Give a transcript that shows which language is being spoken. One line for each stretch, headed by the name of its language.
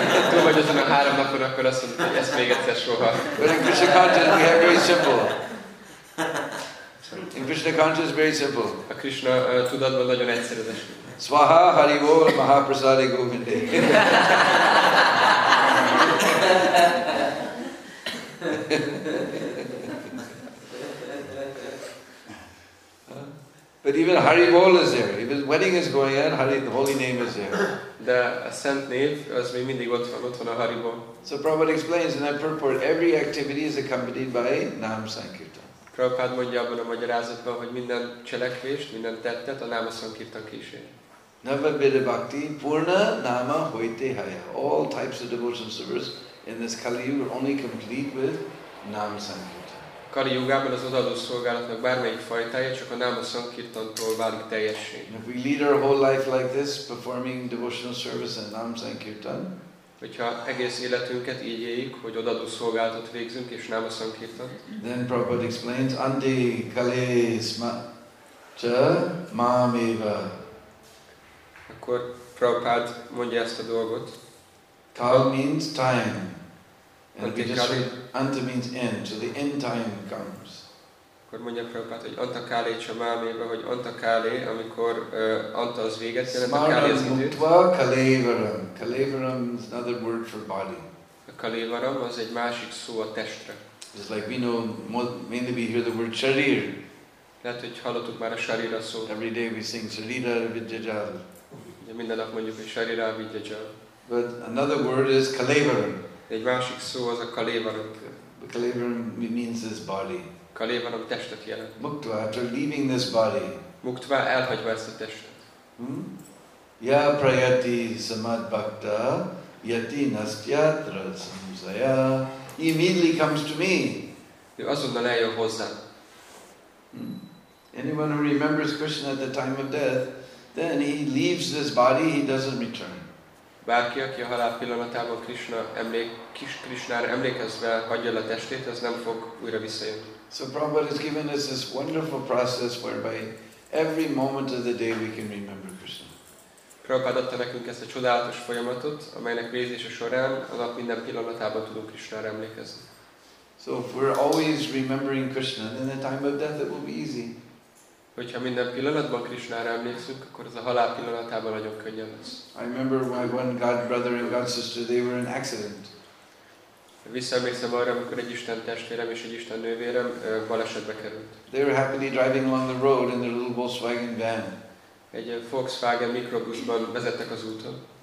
Hungarian: Túl vagy azon a 3 napon, akkor azt mondtad, hogy ezt még egyszer soha.
English: But in Krishna content, we have very simple. In Krishna consciousness, very simple.
Hungarian: A Krishna tudatban nagyon egyszerű az esküvő.
Sanskrit: Swaha Hari Bol Mahaprasadi Govinde.
English: But even Hari Bol is there. Even wedding is going on, Hari, the holy name is there.
Hungarian: De a szent név, az még mindig ott van a Hari Bol.
English: So Prabhupada explains in that purport, every activity is accompanied by Nam Sankirtan.
Hungarian: Prabhupád mondja abban a magyarázatban, hogy minden cselekvést, minden tettet a Nama Sankirtan kísér.
Bangla: Nava Vida Bhakti Purna Nama Hoite Haya.
English: All types of devotional service in this Kali Yuga are only complete with Nama Sankirtan.
Hungarian: Kali Yugában az odaadó szolgálatnak bármelyik fajtája csak a Nama Sankirtantól válik teljessé.
English: If we lead our whole life like this, performing devotional service in Nama Sankirtan,
Hungarian: hogyha egész életünket így éljük, hogy odaadó szolgálatot végzünk, és nem a szankirtan.
English: Then Prabhupada explains,
Sanskrit: Andi kale sma cha maam eva.
Hungarian: Akkor Prabhupada mondja ezt a dolgot.
English: Kal means time. And we just read, Anta means end, so the end time comes.
Hungarian: Akkor mondja Prabhupád, hogy
Sanskrit: anta kálé csamámébe,
Hungarian: hogy anta kálé, amikor anta az véget jelent, a kálé az időt.
English: Kalévaram. Kalévaram is another word for body.
Hungarian: A kalévaram az egy másik szó a testre.
English: It's like we know, mainly we hear the word sharir.
Hungarian: Lehet, hogy hallottuk már a sharira szót.
English: Every day we sing sharira vidyajal.
Hungarian: Minden nap mondjuk, hogy sharira vidyajal.
English: But another word is kalévaram.
Hungarian: Egy másik szó az a kalévaram.
English: Kalévaram means this body.
Hungarian: Kalévaram testet jelent.
English: Muktva, after leaving this body.
Hungarian: Muktva, elhagyva ezt a testet.
Sanskrit: Ya prayati samad bhakta, yati nastyatra samusaya.
English: He immediately comes to me.
Hungarian: Ő azonnal eljön hozzám.
English: Anyone who remembers Krishna at the time of death, then he leaves this body, he doesn't return.
Hungarian: Bárki, aki a halál pillanatában Krishna Krishnára emlékezve hagyja le a testét, az nem fog újra visszajönni.
English: So Prabhupada has given us this wonderful process whereby every moment of the day we can remember Krishna.
Hungarian: Prabhupada adta nekünk ezt a csodálatos folyamatot, amelynek végzése során a nap minden pillanatában tudunk Krishnára emlékezni.
English: So if we're always remembering Krishna, then the time of death it will be easy.
Hungarian: Hogyha minden pillanatban Krishnára emlékszünk, akkor ez a halál pillanatában nagyon könnyen lesz.
English: I remember my one god brother and god sister, they were in accident.
Hungarian: Visszaemlékszem arra, amikor egy Isten testvérem és egy Isten nővérem balesetbe került.
English: They were happily driving along the road in their little Volkswagen van.
Hungarian: Egy Volkswagen mikrobuszban vezettek az úton.